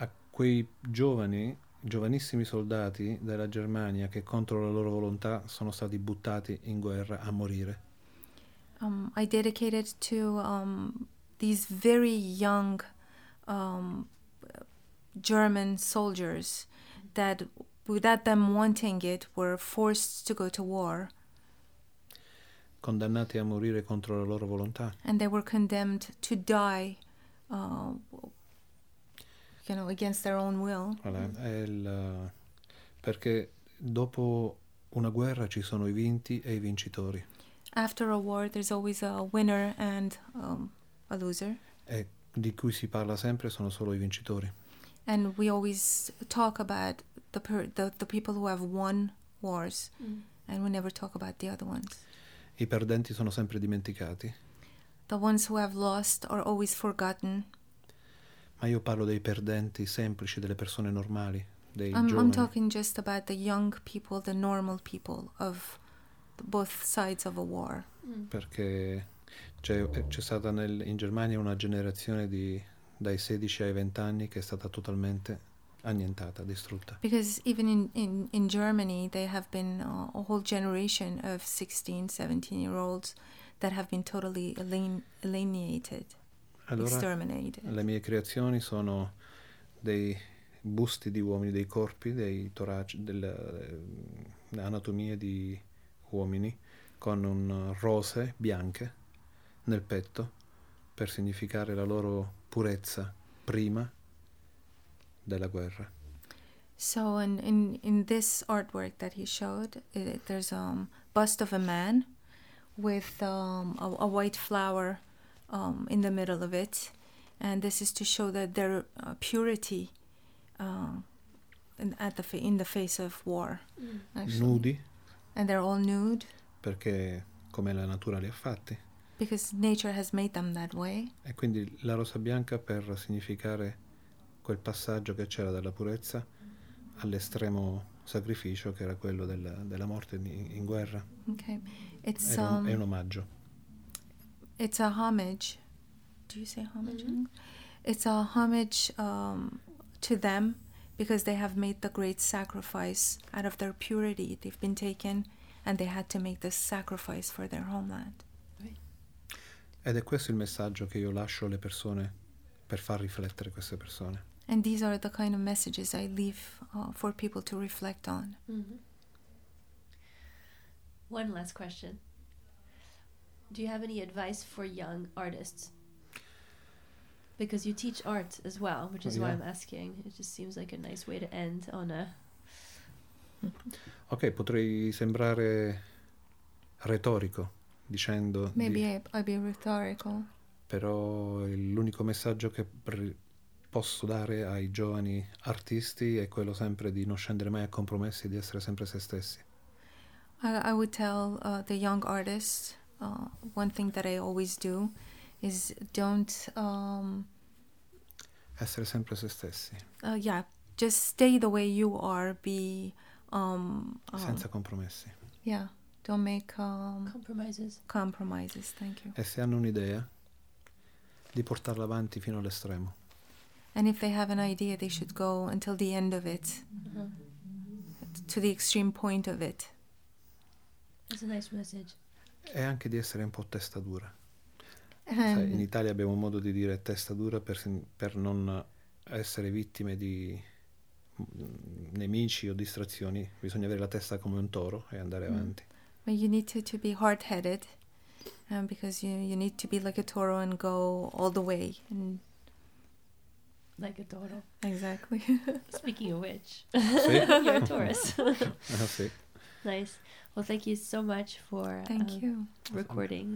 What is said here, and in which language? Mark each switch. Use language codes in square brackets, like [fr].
[it] quei giovani, giovanissimi soldati della Germania che contro la loro volontà sono stati buttati in guerra a morire. [en] I dedicated to these very young German soldiers that without them wanting it were forced to go to war. [it] condannati a morire contro la loro volontà. [en] And they were condemned to die, you know, against their own will. [it] Allora, perché dopo una guerra ci sono i vinti e i vincitori. [en] After a war, there's always a winner and a loser. [it] E di cui si parla sempre sono solo i vincitori. [en] And we always talk about the people who have won wars, and we never talk about the other ones. [it] I perdenti sono sempre dimenticati. [en] The ones who have lost are always forgotten. [it] Ma io parlo dei perdenti semplici, delle persone normali, dei giovani. [en] I'm talking just about the young people, the normal people of both sides of a war. [it] Perché c'è stata in Germania una generazione di dai 16 ai 20 anni che è stata totalmente annientata, distrutta. [en] Because even in Germany they have been a whole generation of 16, 17 year olds that have been totally alienated, [it] allora, [en] exterminated. [it] Le mie creazioni sono dei busti di uomini, dei corpi, dei toraci, dell'anatomia di uomini con un rose bianche nel petto per significare la loro purezza prima della guerra. [en] So in this artwork that he showed, there's a bust of a man with a white flower in the middle of it, and this is to show that their purity in the face of war. Actually. Nudi. And they're all nude. [it] Perché come la natura li ha fatti. [en] Because nature has made them that way. [it] E quindi la rosa bianca per significare quel passaggio che c'era dalla purezza all'estremo sacrificio che era quello della morte in guerra. [en] Okay. [it] È un omaggio. [en] It's a homage. Do you say homage? Mm-hmm. It's a homage to them because they have made the great sacrifice out of their purity. They've been taken and they had to make the sacrifice for their homeland. Ed è questo il messaggio che io lascio alle persone per far riflettere queste persone. And these are the kind of messages I leave for people to reflect on. Mm-hmm. One last question. Do you have any advice for young artists? Because you teach art as well, which is why I'm asking. It just seems like a nice way to end on a... [it] Ok, potrei sembrare retorico. Dicendo [en] maybe I'll be rhetorical. [it] Però l'unico messaggio che posso dare ai giovani artisti è quello sempre di non scendere mai a compromessi, di essere sempre se stessi. [en] I would tell the young artists one thing that I always do is don't [it] essere sempre se stessi. [en] Yeah, just stay the way you are, be [it] senza compromessi. [en] Yeah. Don't make compromises, thank you. [it] E se hanno un'idea, di portarla avanti fino all'estremo. [en] And if they have an idea, they should go until the end of it, to the extreme point of it. That's a nice message. [it] E anche di essere un po' testa dura. In Italia abbiamo modo di dire testa dura per non essere vittime di nemici o distrazioni. Bisogna avere la testa come un toro e andare avanti. [en] But you need to be hard-headed, because you need to be like a toro and go all the way. And like a toro. Exactly. Speaking of which, you're a Taurus. Nice. Well, thank you so much for recording.